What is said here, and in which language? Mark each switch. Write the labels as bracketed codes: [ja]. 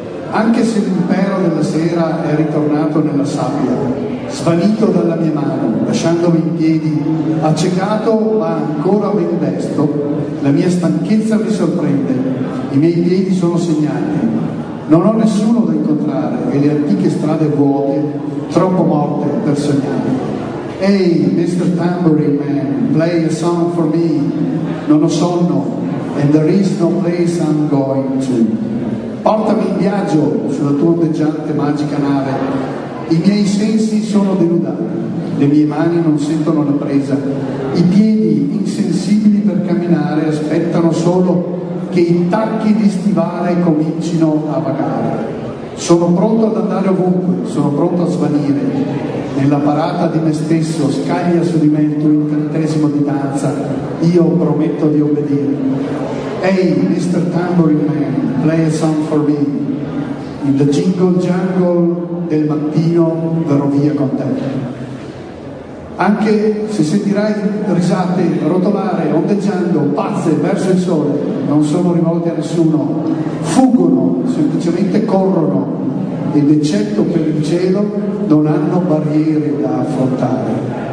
[it] Anche se l'impero della sera è ritornato nella sabbia, svanito dalla mia mano, lasciandomi in piedi, accecato ma ancora ben vesto, la mia stanchezza mi sorprende. I miei piedi sono segnati. Non ho nessuno da incontrare e le antiche strade vuote, troppo morte per sognare. [en] Ehi, hey, Mr. Tambourine Man, play a song for me. [it] Non ho sonno, [en] and there is no place I'm going to. [it] Portami in viaggio sulla tua ondeggiante magica nave. I miei sensi sono denudati, le mie mani non sentono la presa. I piedi, insensibili per camminare, aspettano solo che i tacchi di stivale comincino a vagare. Sono pronto ad andare ovunque, sono pronto a svanire. Nella parata di me stesso scaglia su di me il tuo incantesimo di danza. Io prometto di obbedire. [en] Hey, Mr. Tambourine Man, play a song for me. In the jingle jungle [it] del mattino verrò via con te. Anche se sentirai risate rotolare, ondeggiando, pazze verso il sole, non sono rivolte a nessuno, fuggono, semplicemente corrono, ed eccetto per il cielo non hanno barriere da affrontare.